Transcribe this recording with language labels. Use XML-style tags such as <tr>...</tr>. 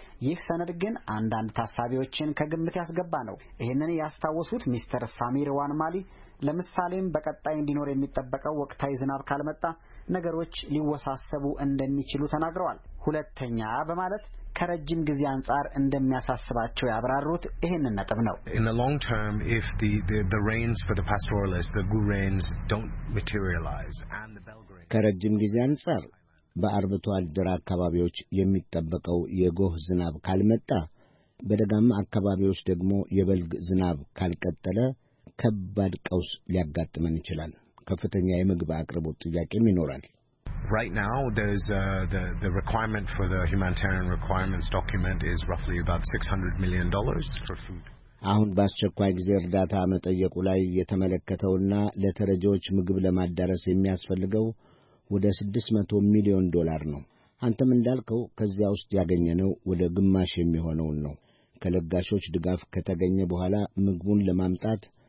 <am>ይህ ሰነድ ግን አንዳንድ ታሳቢዎችን ከግምት ያስገባ ነው። ይህንን ያስተዋወሱት ሚስተር ሳሚር ዋንማሊ ለምሳሌም በቀጣይ እንዲኖር የሚጠበቀው ወቅታዊ ዝናብ ካልመጣ ነገሮች ሊወሳሰቡ እንደሚችሉ ተናግረዋል። ሁለተኛ በማለት ከረጅም ጊዜ አንጻር እንደሚያሳስባቸው ያብራሩት ይሄን ነጥብ ነው።</am> <en>In the long term if the rains for the pastoralists the good rains don't materialize and the Belgrade</en> <am>ከረጅም ጊዜ አንጻር በአርብቶ አደር አካባቢዎች የሚጠበቀው የጎህ ዝናብ ካልመጣ በደጋማ አካባቢዎች ደግሞ የበልግ ዝናብ ካልቀጠለ ከባድ ቀውስ ሊያጋጥመን ይችላል። ከፍተኛ የምግብ አቅርቦት ጥያቄም ይኖራል።</am> <en>Right now there's the requirement for the humanitarian requirements document is roughly about $600 million for food.</en> <am>አሁን በአስቸኳይ ጊዜ እርዳታ መጠየቁ ላይ የተመለከተውና ለተረጂዎች ምግብ ለማዳረስ የሚያስፈልገው ወደ $600 million ነው። አንተም እንዳልከው ከዚያ ውስጥ ያገኘነው ወደ ግማሽ የሚሆነው ነው። ከለጋሾች ድጋፍ ከተገኘ በኋላ ምግቡን ለማምጣት</am>